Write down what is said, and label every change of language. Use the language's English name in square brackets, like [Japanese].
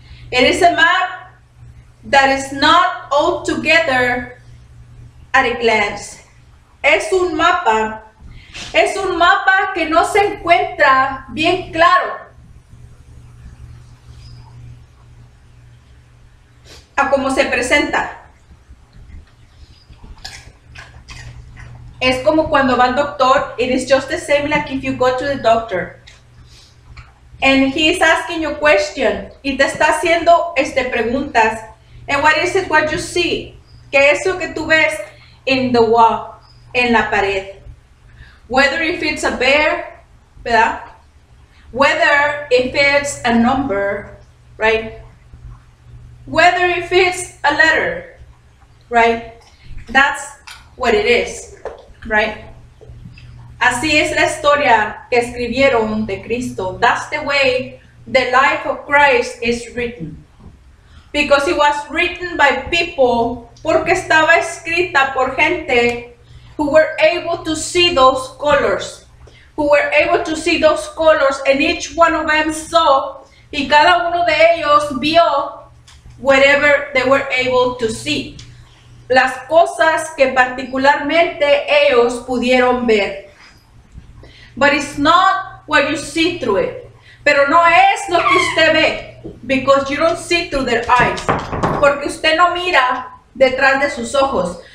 [English] It is a map that is not all together at a glance. [Spanish] Es un mapa que no se encuentra bien claro. A cómo se presenta. Es como cuando va al doctor, [English] it is just the same like if you go to the doctor. And he is asking you a question. [Spanish] Y te está haciendo preguntas. [English] And what is it what you see? [Spanish] ¿Qué es lo que tú ves? [English] In the wall, [Spanish] en la pared. [English] Whether if it's a bear, ¿verdad? Whether if it's a number, right? Whether if it's a letter, right? That's what it is. Right? [Spanish] Así es la historia que escribieron de Cristo. [English] That's the way the life of Christ is written. Because it was written by people, [Spanish] porque estaba escrita por gente [English] who were able to see those colors. Who were able to see those colors, and each one of them saw, [Spanish] y cada uno de ellos vio [English] whatever they were able to see. [Spanish] las cosas que particularmente ellos pudieron ver. [English] But it's not what you see through it. [Spanish] Pero no es lo que usted ve, [English] because you don't see through their eyes. [Spanish] Porque usted no mira detrás de sus ojos.